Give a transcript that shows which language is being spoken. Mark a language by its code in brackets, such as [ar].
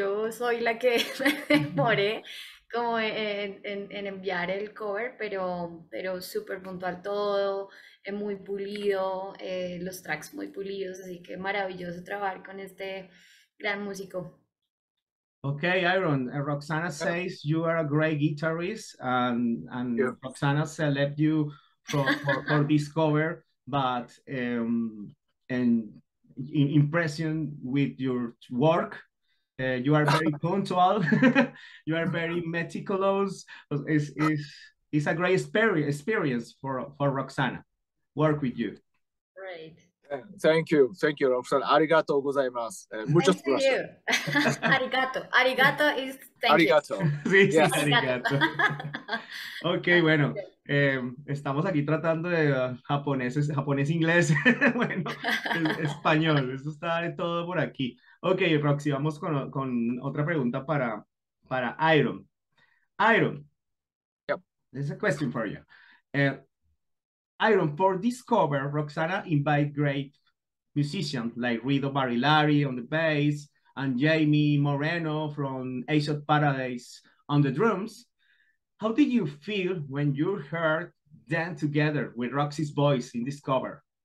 [es] Yo soy la que demoré como en enviar el cover, pero súper puntual todo, muy pulido, los tracks muy pulidos. Así que maravilloso trabajar con este gran músico. [en] Okay, Iron. Roxana says you are a great guitarist, and Yeah. Roxana select you for this cover, but and in impression with your work. You are very punctual. You are very meticulous. It's a great experience for Roxana. Work with you. Thank you. Thank you, Roxana. [ja] Arigato gozaimasu. [es] Muchas [en] Thanks to you. [es] gracias. [ja] Arigato. Arigato [en] is thank you. [ja] Arigato. [es] Sí, [ja] Arigato. arigato. [es] Okay, bueno. Estamos aquí tratando de japoneses, japonés inglés, bueno, español, eso está de todo por aquí. Ok, Roxy, vamos con otra pregunta para Iron. [en] Iron, there's a question for you. Iron, for this cover, Roxana invite great musicians like Rido Barilari on the bass and Jamie Moreno from Ace of Paradise on the drums. How did you feel when you heard them together with Roxy's voice in this cover?